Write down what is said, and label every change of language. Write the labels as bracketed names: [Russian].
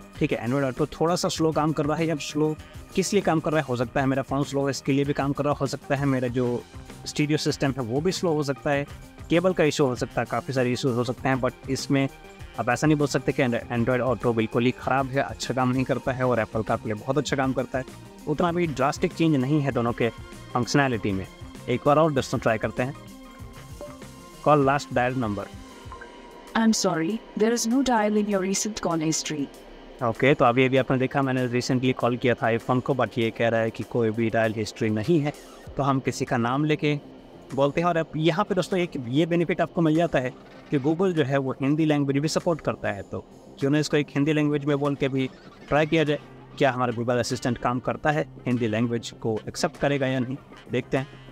[Hindi] ठीक है, Android auto थोड़ा सा स्लो काम कर रहा है। अब स्लो किस लिए काम कर रहा है, हो सकता है मेरा फ़ोन स्लो है इसके लिए भी काम कर रहा हो सकता है, मेरा जो स्टीरियो सिस्टम है वो भी स्लो हो सकता है, केबल का इशू हो सकता है, काफ़ी सारे इशूज़ हो सकते हैं। बट इसमें आप ऐसा नहीं बोल सकते कि एंड्रॉयड ऑटो बिल्कुल ही ख़राब है, अच्छा काम नहीं करता है, और एप्पल का प्ले बहुत अच्छा काम करता है। उतना भी ड्रास्टिक चेंज नहीं है दोनों के फंक्शनैलिटी में। एक बार और दोस्तों ट्राई करते हैं। [English] Call last dial number, I'm sorry, there is no dial in your recent call history. [Hindi] Okay, तो अभी अभी आपने देखा मैंने रिसेंटली कॉल किया था आईफोन को, बट ये कह रहा है कि कोई भी डायल हिस्ट्री नहीं है। तो हम किसी का नाम लेके बोलते हैं। और अब यहाँ पे दोस्तों एक ये बेनिफिट आपको मिल जाता है कि गूगल जो है वो हिंदी लैंग्वेज भी सपोर्ट करता है, तो क्यों ना इसको एक हिंदी लैंग्वेज में बोल के भी ट्राई किया जाए, क्या हमारा गूगल असिस्टेंट काम करता है, हिंदी लैंग्वेज को एक्सेप्ट करेगा या नहीं, देखते हैं।